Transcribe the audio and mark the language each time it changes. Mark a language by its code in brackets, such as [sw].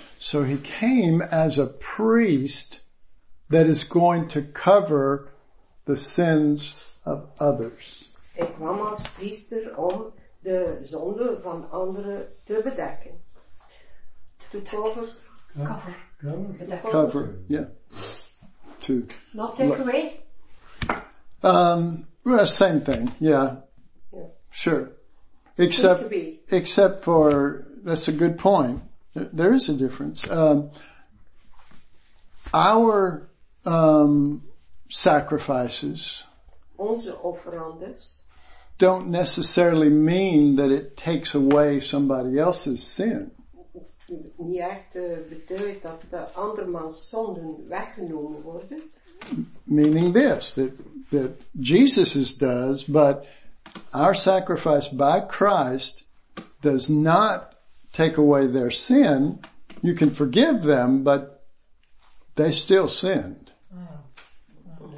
[en] So he came as a priest that is going to cover the sins of others. [nl] Ik kwam als priester om de zonde van anderen te bedekken. [en] To cover. Cover. Yeah. To. Not take away? Well, same thing. Yeah. Sure. Except for, that's a good point. There is a difference. Our sacrifices [nl] onze offerandes [en] don't necessarily mean that it takes away somebody else's sin. [nl] Niet echt betekent dat de andermans zonden weggenomen worden. [en] Meaning this, that Jesus's does, but our sacrifice by Christ does not take away their sin. You can forgive them, but they still sinned. Oh,